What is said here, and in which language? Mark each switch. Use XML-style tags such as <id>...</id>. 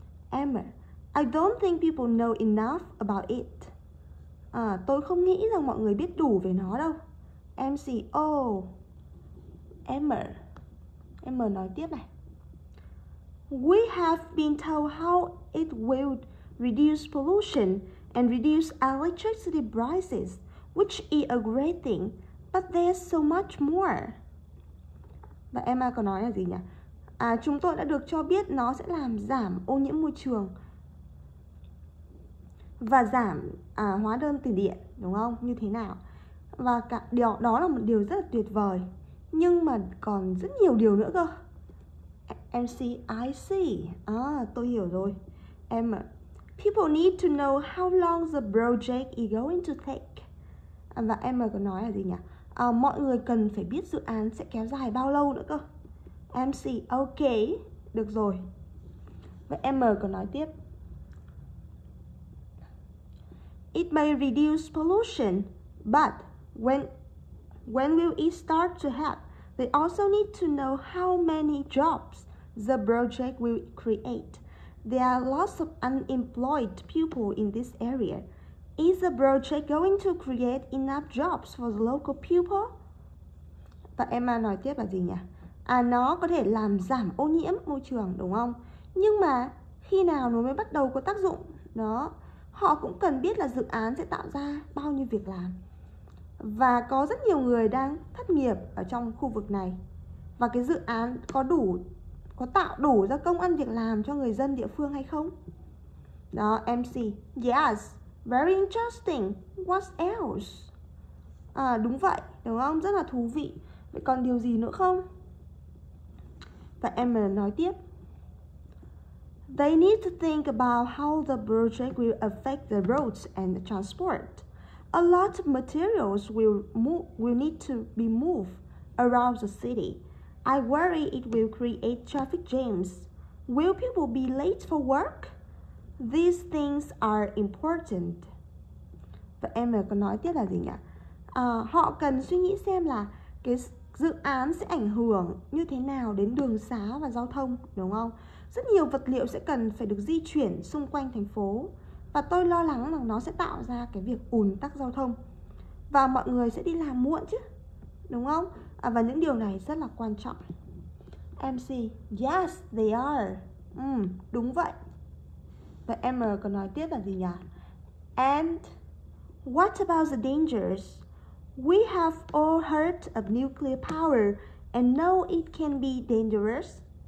<en>Emma: I don't think people know enough about it.</en> <vi>À, tôi không nghĩ rằng mọi người biết đủ về nó đâu.</vi> <en>MC: Oh.</en> <vi>Emma. Emma nói tiếp này.</vi> <en>We have been told how it will reduce pollution and reduce electricity prices, which is a great thing, but there's so much more.</en> <vi>Và Emma có nói là gì nhỉ? À, chúng tôi đã được cho biết nó sẽ làm giảm ô nhiễm môi trường và giảm hóa đơn tiền điện, đúng không? Như thế nào? Và cả điều đó là một điều rất là tuyệt vời. Nhưng mà còn rất nhiều điều nữa cơ.</vi> <en>MC: I see.</en> <vi>Tôi hiểu rồi.</vi> <en>Emma: People need to know how long the project is going to take.</en> <vi>Và Emma có nói là gì nhỉ? Mọi người cần phải biết dự án sẽ kéo dài bao lâu nữa cơ.</vi> <en>MC: Okay.</en> <vi>Được rồi. Vậy Emma có nói tiếp.</vi> <en>It may reduce pollution, but when will it start to help? They also need to know how many jobs the project will create. There are lots of unemployed people in this area. Is the project going to create enough jobs for the local people?</en> <vi>Và Emma nói tiếp là gì nhỉ? À, nó có thể làm giảm ô nhiễm môi trường, đúng không? Nhưng mà khi nào nó mới bắt đầu có tác dụng? Đó, họ cũng cần biết là dự án sẽ tạo ra bao nhiêu việc làm. Và có rất nhiều người đang thất nghiệp ở trong khu vực này. Và cái dự án có tạo đủ ra công ăn việc làm cho người dân địa phương hay không?</vi> <en>Đó, MC: Yes. Very interesting. What else?</en> <vi>À, đúng vậy, đúng không? Rất là thú vị. Vậy còn điều gì nữa không? Và em nói tiếp.</vi> <en>They need to think about how the project will affect the roads and the transport. A lot of materials will need to be moved around the city. I worry it will create traffic jams. Will people be late for work? These things are important.</en> <vi>Và Emma có nói tiếp là gì nhỉ? Họ cần suy nghĩ xem là cái dự án sẽ ảnh hưởng như thế nào đến đường xá và giao thông, đúng không? Rất nhiều vật liệu sẽ cần phải được di chuyển xung quanh thành phố và tôi lo lắng rằng nó sẽ tạo ra cái việc ùn tắc giao thông và mọi người sẽ đi làm muộn chứ, đúng không? À, và những điều này rất là quan trọng.</vi> <en>MC, yes, they are.</en> <vi>Đúng vậy. Và Emma còn nói tiếp là gì nhỉ?</vi> <en>And what about the dangers? We have all heard of nuclear power and know it can be dangerous.</en>